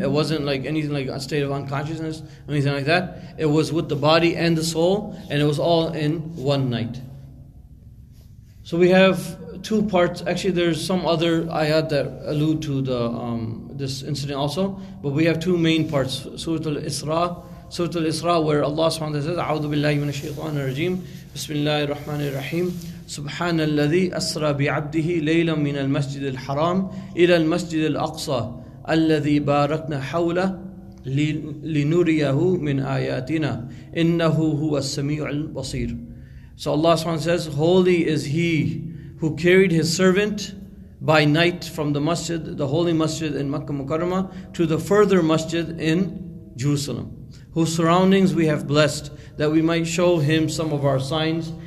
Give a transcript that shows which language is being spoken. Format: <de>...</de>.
<en>It wasn't like anything like a state of unconsciousness, anything like that. It was with the body and the soul, and it was all in one night. So we have two parts. Actually, there's some other ayat that allude to the this incident also. But we have two main parts. Surah Al-Isra, where Allah subhanahu wa ta'ala says,</en> <ar>أعوذ بالله من الشيطان الرجيم بسم الله الرحمن الرحيم سبحان الذي أسرى بعبده ليلا من المسجد الحرام إلى المسجد الأقصى الذي باركنا حوله لنريه من آياتنا إنه هو السميع البصير.</ar> <en>So Allah subhanahu wa ta'ala says, holy is he who carried his servant by night from the masjid, the holy masjid in Makkah Mukarramah, to the further masjid in Jerusalem, whose surroundings we have blessed, that we might show him some of our signs.</en>